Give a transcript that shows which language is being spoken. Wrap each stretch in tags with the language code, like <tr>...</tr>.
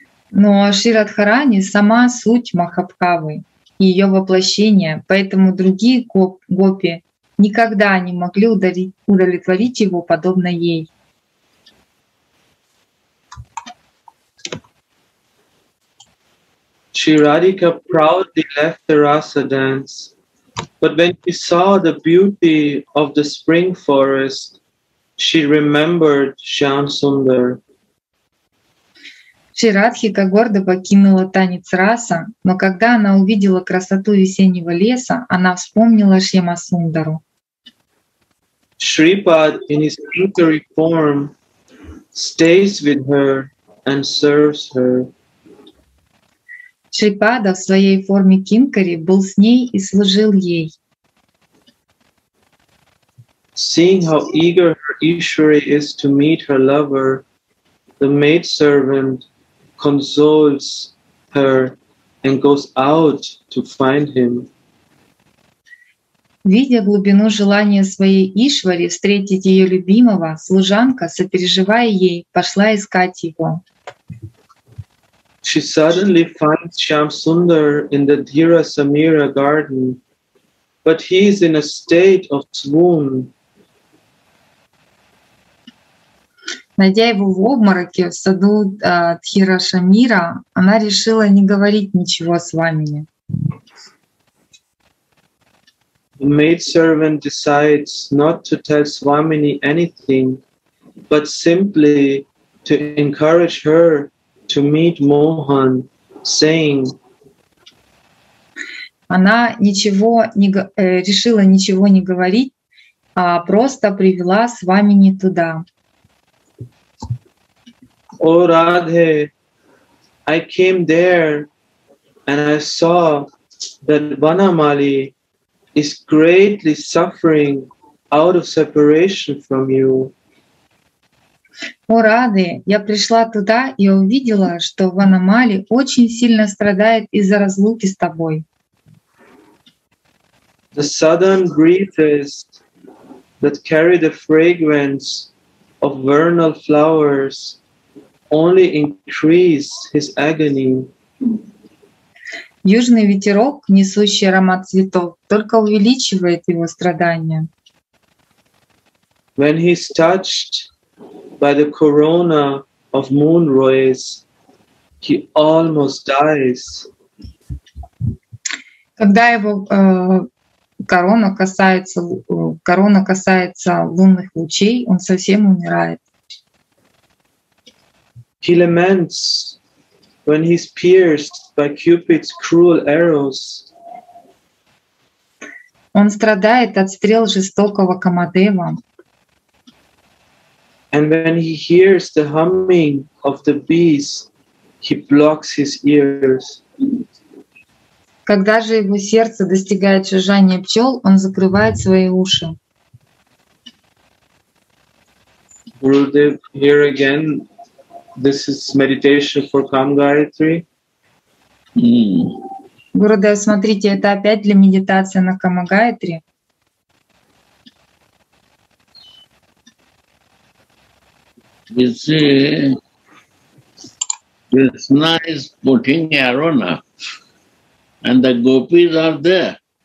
<ru>Но Шри Радхарани — сама суть Махабхавы, её воплощение, поэтому другие гопи никогда не могли удовлетворить его подобно ей.</ru> <en>Shri Radhika proudly left the rasa dance, but when she saw the beauty of the spring forest, she remembered Shyam Sundar.</en> <ru>Shri Radhika гордо покинула танец раса, но когда она увидела красоту весеннего леса, она вспомнила Шьяма Сундару.</ru> <en>Shripad in his kinkari form stays with her and serves her.</en> <ru>Шрипада в своей форме кинкари был с ней и служил ей.</ru> <en>Seeing how eager her Ishwari is to meet her lover, the maidservant consoles her and goes out to find him.</en> <ru>Видя глубину желания своей Ишвари встретить ее любимого, служанка, сопереживая ей, пошла искать его.</ru> <en>She suddenly finds Shyam Sundar in the Dhira Samira garden, but he is in a state of swoon.</en> <ru>Найдя его в обмороке в саду Дхира Шамира, она решила не говорить ничего с вами.</ru> <en>The maidservant decides not to tell Swamini anything, but simply to encourage her to meet Mohan, saying,</en> <ru>она ничего не решила ничего не говорить, а просто привела с вами не туда.</ru> <en>О, Радхе, I came there and I saw that Vanamali is greatly suffering out of separation from you.</en> <ru>О, Рады, я пришла туда и увидела, что Ванамали очень сильно страдает из-за разлуки с тобой.</ru> <en>The southern breezes that carry the fragrance of vernal flowers only increase his agony.</en> <ru>Южный ветерок, несущий аромат цветов, только увеличивает его страдания.</ru> <en>When he's touched by the corona of moon rays, he almost dies.</en> <ru>Когда его корона касается лунных лучей, он совсем умирает.</ru> <en>He laments when he's pierced by Cupid's cruel arrows.</en> <ru>Он страдает от стрел жестокого Камадева.</ru> <en>And when he hears the humming of the bees, he blocks his ears.</en> <ru>Когда же его сердце достигает жужжания пчел, он закрывает свои уши.</ru> <en>Gurudev, here again, this is meditation for Kam Gayatri.</en> <ru>Gurudev, смотрите, это опять для медитации на Кама Гаятри.</ru> <en>You see, Krishna is putting Arjuna, and the gopis are there.</en>